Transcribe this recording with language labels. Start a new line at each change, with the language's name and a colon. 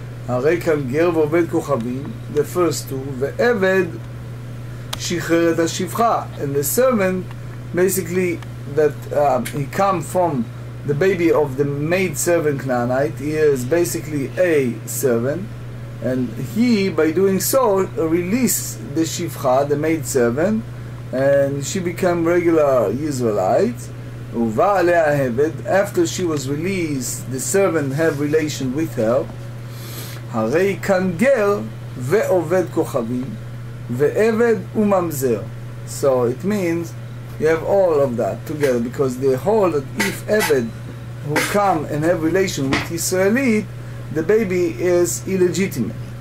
Hebrew: Harekan ger ve'oved kochavim,
English: the first two,
Hebrew: ve'eved שחררת השפחה,
English: and the servant basically that he come from the baby of the maid servant Canaanite, he is basically a servant, and he by doing so release the שפחה, the maid servant, and she became regular Israelite.
Hebrew: ובא עליה הבד,
English: after she was released, the servant have relation with her.
Hebrew: הרי כאן גר ועובד כוכבים ועבד וממזר.
English: So it means you have all of that together, because the whole that if עבד who come and have relation with Israelit, the baby is illegitimate.